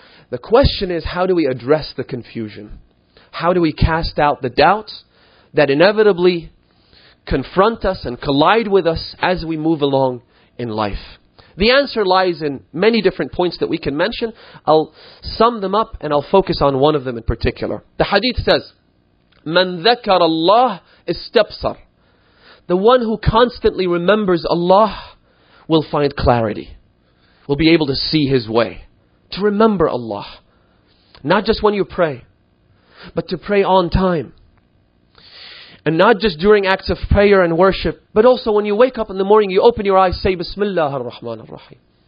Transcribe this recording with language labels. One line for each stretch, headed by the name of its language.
English: The question is, how do we address the confusion? How do we cast out the doubts that inevitably confront us and collide with us as we move along in life? The answer lies in many different points that we can mention. I'll sum them up and I'll focus on one of them in particular. The hadith says,
Arabic: مَنْ ذَكَرَ اللَّهِ اسْتَبْصَرَ.
English: The one who constantly remembers Allah will find clarity, will be able to see his way. To remember Allah, not just when you pray, but to pray on time. And not just during acts of prayer and worship, but also when you wake up in the morning, you open your eyes, say Bismillah ar-Rahman ar-Rahim.